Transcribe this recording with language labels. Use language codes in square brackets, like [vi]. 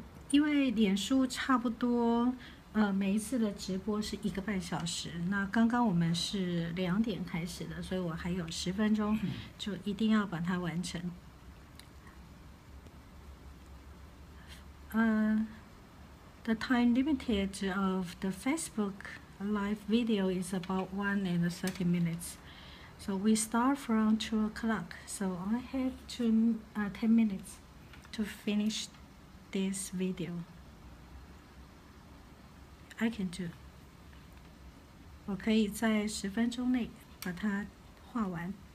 [zh] 因为脸书差不多，每一次的直播是一个半小时，那刚刚我们是2点开始的，所以我还有10分钟，就一定要把它完成。 [en] The time limited of the Facebook live video is about 1:30, so we start from 2:00, so I have 10 minutes to finish this video. I can do. [zh] 我可以在10分钟内把它画完。